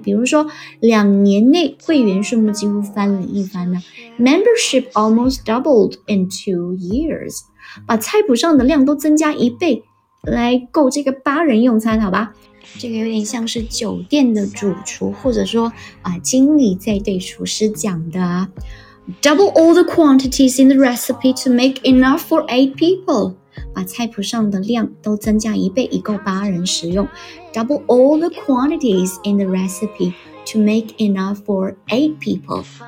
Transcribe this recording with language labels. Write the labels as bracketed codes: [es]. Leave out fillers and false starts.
[zh] 比如说两年内会员数目几乎翻了一番呢。 [en] Membership almost doubled in 2 years. [zh] 把菜谱上的量都增加一倍，来够这个八人用餐，好吧。这个有点像是酒店的主厨，或者说经理在对厨师讲的。 [en] Double all the quantities in the recipe to make enough for 8 people. [zh] 把菜谱上的量都增加一倍，以够八人食用。 [en] Double all the quantities in the recipe to make enough for 8 people.